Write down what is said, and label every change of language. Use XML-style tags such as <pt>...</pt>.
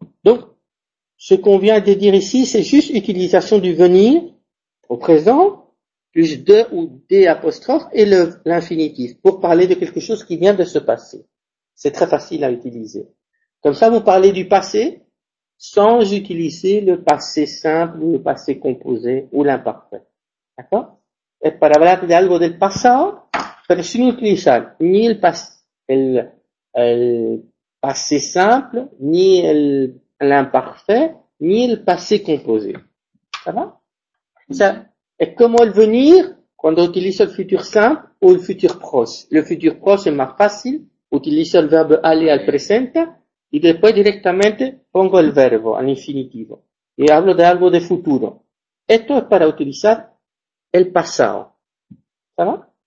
<fr>Donc, ce qu'on vient de dire ici, c'est juste utilisation du venir au présent plus de ou des apostrophes et l'infinitif pour parler de quelque chose qui vient de se passer. C'est très facile à utiliser. Comme ça, vous parlez du passé sans utiliser le passé simple ou le passé composé ou l'imparfait. D'accord?</fr> <es>Et para hablar de algo del pasado, pero sin utilizar ni el passé simple, ni l'imparfait, ni el passé composé.</es> <fr>Ça va? Ça, et comment le venir quand on utilise le futur simple ou le futur proche? Le futur proche est</fr> <es>más fácil, utilizo el verbo aller al presente, y después directamente pongo el verbo al infinitivo. Y hablo de algo de futuro. Esto es para utilizar el pasado. ¿Está bien?</es>